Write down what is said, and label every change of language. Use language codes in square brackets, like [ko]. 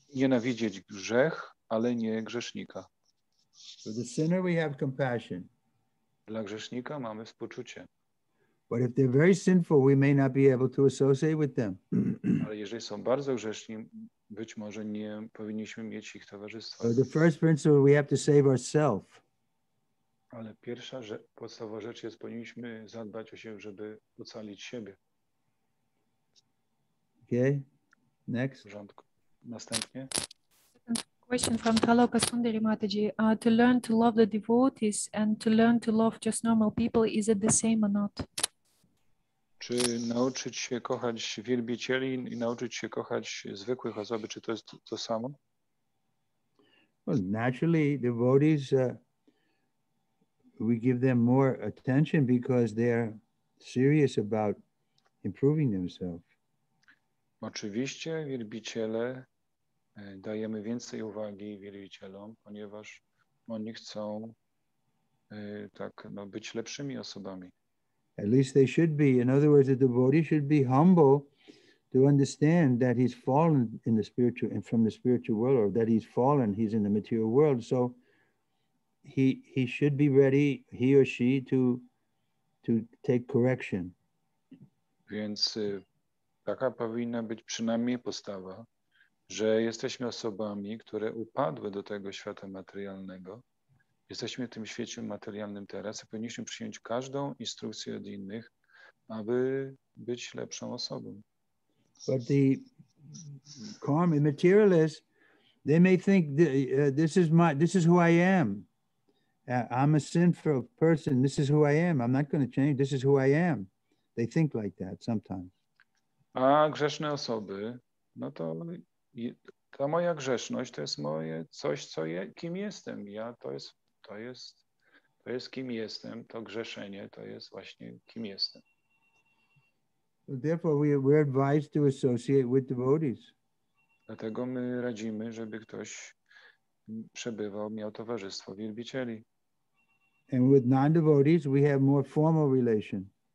[pl] Nienawidzieć grzech, ale nie grzesznika. [en] For the sinner we have compassion. [pl] Dla grzesznika mamy współczucie. [en] But if they're very sinful, we may not be able to associate with them. [pl] Ale jeżeli są bardzo grzeszni, być może nie powinniśmy mieć ich towarzystwa. [en] So the first principle, we have to save ourselves. [pl] Ale pierwsza podstawowa rzecz jest, powinniśmy zadbać o siebie, żeby ocalić siebie. [en] Okay, next. [pl] W porządku. Następnie. [en] Question from Taloka Sundari Mataji. To learn to love the devotees and to learn to love just normal people, is it the same or not? [pl] Czy nauczyć się kochać wielbicieli i nauczyć się kochać zwykłych osób, czy to jest to samo? [en] Well, naturally, devotees, we give them more attention because they are serious about improving themselves. [pl] Oczywiście, wielbiciele, dajemy więcej uwagi wielbicielom, ponieważ oni chcą tak, no, być lepszymi osobami. [en] At least they should be. In other words, the devotee should be humble to understand that he's fallen in the spiritual and from the spiritual world, or that he's fallen, he's in the material world. So he should be ready, he or she, to take correction. [pl] Więc taka powinna być przynajmniej postawa, że jesteśmy osobami, które upadły do tego świata materialnego. Jesteśmy w tym świecie materialnym teraz i powinniśmy przyjąć każdą instrukcję od innych, aby być lepszą osobą. [en] But the karma materialists, they may think this is who I am. I'm a sinful person. This is who I am. I'm not going to change. This is who I am. They think like that sometimes. [pl] A grzeszne osoby, no to ta moja grzeszność to jest moje coś, co je, kim jestem. Ja to jest kim jestem, to grzeszenie, to jest właśnie kim jestem. [en] So therefore we're advised to associate with devotees. [pl] Dlatego my radzimy, żeby ktoś przebywał, miał towarzystwo wielbicieli. [en] And with non-devotees we have more formal relation.